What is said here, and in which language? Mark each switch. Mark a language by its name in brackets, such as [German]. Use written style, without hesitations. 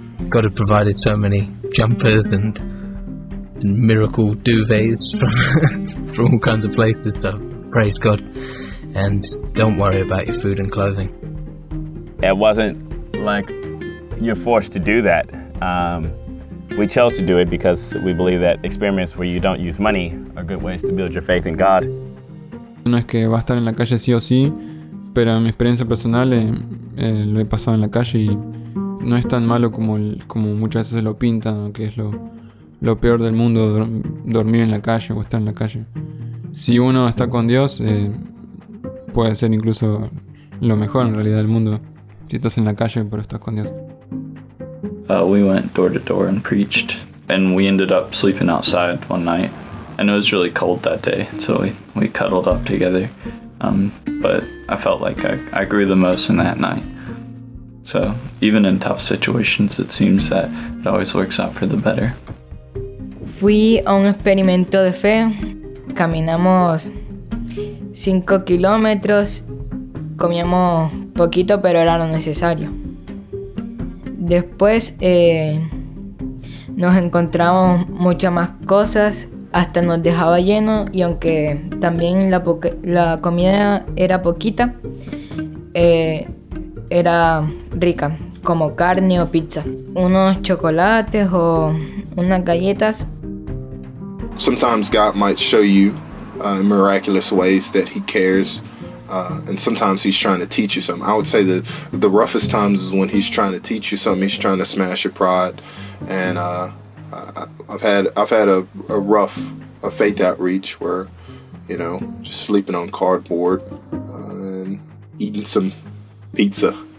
[English] God had provided so many jumpers and miracle duvets from all kinds of places, so praise God. And don't worry about your food and clothing. It wasn't like you're forced to do that. We chose to do it because we believe that experiments where you don't use money are good ways to build your faith in God. [Spanish] No es que va a estar en la calle sí o sí, pero en mi experiencia personal lo he pasado en la calle y no es tan malo como muchas veces lo pintan, que es lo peor del mundo dormir en la calle o estar en la calle. Si uno está con Dios, puede ser incluso lo mejor en realidad del mundo si estás en la calle pero estás con Dios. [English] We went door to door and preached, and we ended up sleeping outside one night. And it was really cold that day, so we cuddled up together. But I felt like I grew the most in that night. So even in tough situations, it seems that it always works out for the better. [Spanish] Fui a un experimento de fe. Caminamos 5 kilómetros. Comíamos poquito, pero era lo necesario. Después nos encontramos muchas más cosas, hasta nos dejaba lleno y aunque también la comida era poquita, era rica, como carne o pizza, unos chocolates o unas galletas. [English] Sometimes God might show you in miraculous ways that He cares. And sometimes He's trying to teach you something. I would say the roughest times is when He's trying to teach you something. He's trying to smash your pride. And I've had a rough faith outreach where, you know, just sleeping on cardboard and eating some pizza.